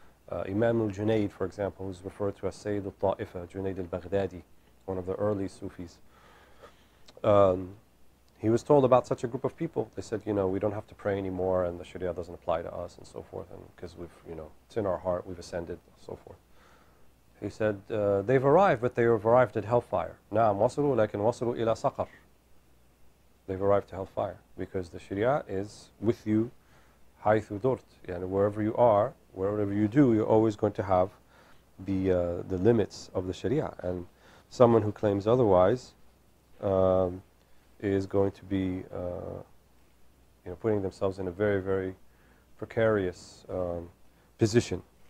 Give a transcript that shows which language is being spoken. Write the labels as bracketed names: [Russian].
[English] Imam al-Junayd, for example, who's referred to as Sayyid al-Ta'ifa, Junayd al-Baghdadi, one of the early Sufis. He was told about such a group of people. They said, you know, we don't have to pray anymore and the Sharia doesn't apply to us and so forth, and because we've, you know, it's in our heart, we've ascended and so forth. He said, they've arrived, but they have arrived at hellfire. [Arabic] نعم وصلوا لكن وصلوا إلى سقر. [English] They've arrived to hellfire because the Sharia is with you [Arabic] حيثُ دُرْت, [English] and wherever you are, whatever you do, you're always going to have the limits of the Sharia. And someone who claims otherwise is going to be you know, putting themselves in a very, very precarious position.